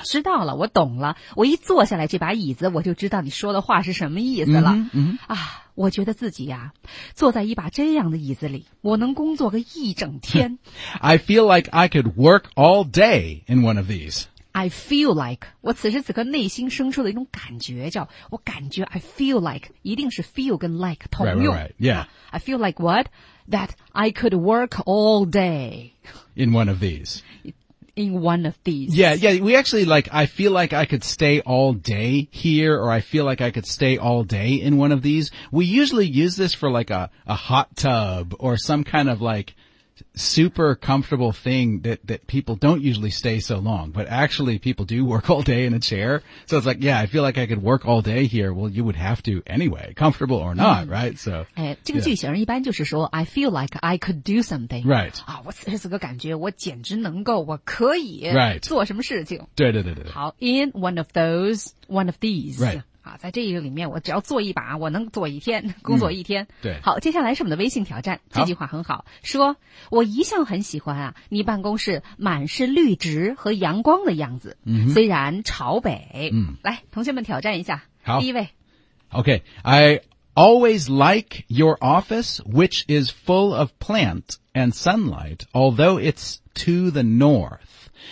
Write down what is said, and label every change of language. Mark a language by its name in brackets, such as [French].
[Chinese] 我知道了我懂了我一坐下来这把椅子我就知道你说的话是什么意思了、 mm-hmm. 啊我觉得自己呀、啊、坐在一把这样的椅子里我能工作个一整天。 [English] I feel like I could work all day in one of these. I feel like, [Chinese] 我此时此刻内心生出的一种感觉叫我感觉 I feel like, 一定是 feel 跟 like 同用。 [English] Right, right, right. Yeah. I feel like what? That I could work all day. In one of these. In one of these. Yeah, yeah, we actually like, I feel like I could stay all day here, or I feel like I could stay all day in one of these. We usually use this for like a hot tub or some kind of like super comfortable thing that people don't usually stay so long, but actually people do work all day in a chair. So it's like, yeah, I feel like I could work all day here. Well, you would have to anyway, comfortable or not,、mm. right? So, [Chinese] 哎，这个句型一般就是说 [English] I feel like I could do something. Right. [Chinese] 啊，我此时此刻感觉我简直能够，我可以 [English] right [Chinese] 做什么事情。对对对对。 [English] 好 ，in one of those, one of these. Right. [Chinese] 啊，在这一个里面，我只要做一把，我能做一天，工作一天。对，好，接下来是我们的微信挑战。这句话很好，好说我一向很喜欢啊，你办公室满是绿植和阳光的样子。嗯，虽然朝北。嗯，来，同学们挑战一下。好，第一位。 [English] Okay, I always like your office, which is full of plant and sunlight, although it's to the north.